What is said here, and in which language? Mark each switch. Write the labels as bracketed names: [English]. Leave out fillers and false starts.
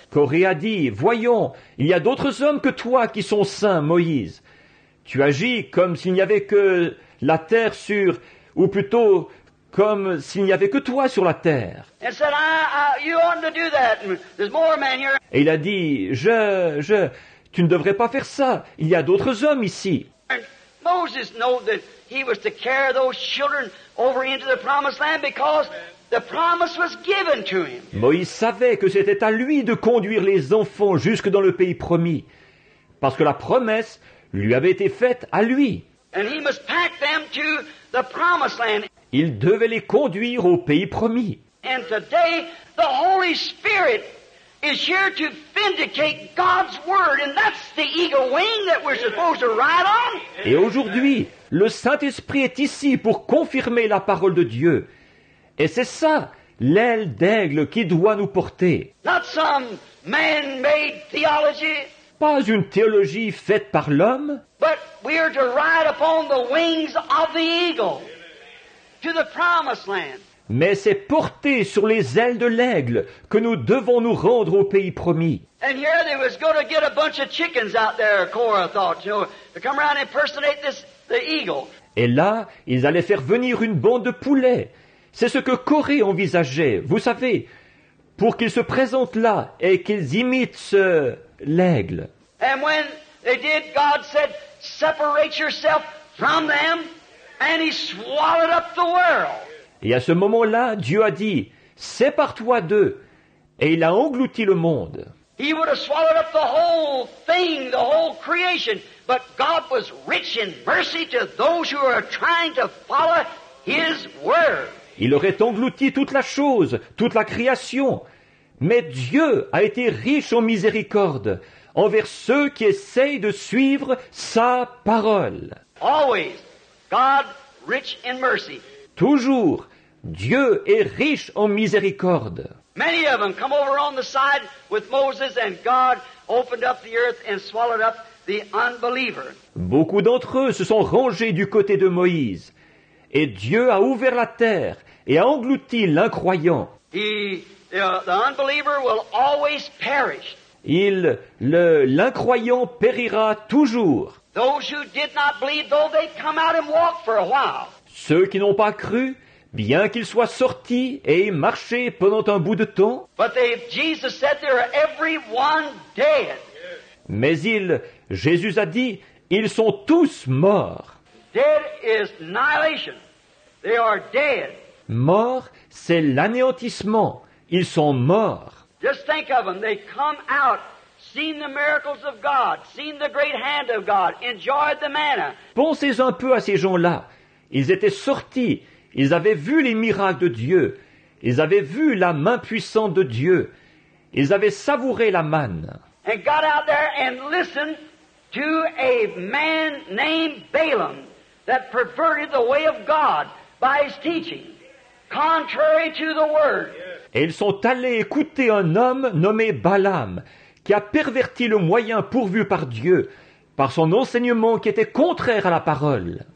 [French] Korah a dit, voyons, il y a d'autres hommes que toi qui sont saints, Moïse. Tu agis comme s'il n'y avait que la terre sur, ou plutôt comme s'il n'y avait que toi sur la terre. [English] And said, you oughtn't to do that. There's more men here. [French] Et il a dit, tu ne devrais pas faire ça. Il y a d'autres hommes ici. [English] And Moses knew that he was to carry those children over into the promised land because the promise was given to him. [French] Moïse savait que c'était à lui de conduire les enfants jusque dans le pays promis parce que la promesse lui avait été faite à lui. [English] And he must pack them to the promised land. [French] Il devait les conduire au pays promis. [English] And today the Holy Spirit is here to vindicate God's word, and that's the eagle wing that we're supposed to ride on. [French] Et aujourd'hui, le Saint-Esprit est ici pour confirmer la parole de Dieu. Et c'est ça, l'aile d'aigle qui doit nous porter. [English] Not some man-made theology. [French] Pas une théologie faite par l'homme. [English] But we are to ride upon the wings of the eagle to the promised land. [French] Mais c'est porté sur les ailes de l'aigle que nous devons nous rendre au pays promis. [English] And here they was going to get a bunch of chickens out there, Korah thought, you know, to come around and impersonate this, the eagle. [French] Et là, ils allaient faire venir une bande de poulets. C'est ce que Corée envisageait, vous savez, pour qu'ils se présentent là et qu'ils imitent ce, l'aigle. [English] And when they did, God said, "Separate yourself from them," and he swallowed up the world. [French] Et à ce moment-là, Dieu a dit, « Sépare-toi d'eux !» Et il a englouti le monde. [English] He would have swallowed up the whole thing, the whole creation. But God was rich in mercy to those who are trying to follow His word. [French] Il aurait englouti toute la chose, toute la création. Mais Dieu a été riche en miséricorde envers ceux qui essayent de suivre sa parole. [English] Always, God rich in mercy. [French] Toujours, Dieu est riche en miséricorde. [English] Many of them come over on the side with Moses, and God opened up the earth and swallowed up the unbeliever. [French] Beaucoup d'entre eux se sont rangés du côté de Moïse, et Dieu a ouvert la terre et a englouti l'incroyant. [English] The unbeliever will always perish. [French] L'incroyant périra toujours. [English] Those who did not believe, though they come out and walk for a while. [French] Ceux qui n'ont pas cru, bien qu'ils soient sortis et aient marché pendant un bout de temps, [English] Jesus said they are everyone dead. [French] Mais Jésus a dit, ils sont tous morts. [English] Dead is annihilation. They are dead. [French] Mort, c'est l'anéantissement. Ils sont morts. [English] Just think of them. They come out. Seen the miracles of God, seen the great hand of God, enjoyed the manna. [French] Pensez un peu à ces gens-là. Ils étaient sortis, ils avaient vu les miracles de Dieu, ils avaient vu la main puissante de Dieu, ils avaient savouré la manne. [English] And got out there and listened to a man named Balaam that perverted the way of God by his teaching, contrary to the word. [French] Et ils sont allés écouter un homme nommé Balaam, qui a perverti le moyen pourvu par Dieu, par son enseignement qui était contraire à la parole.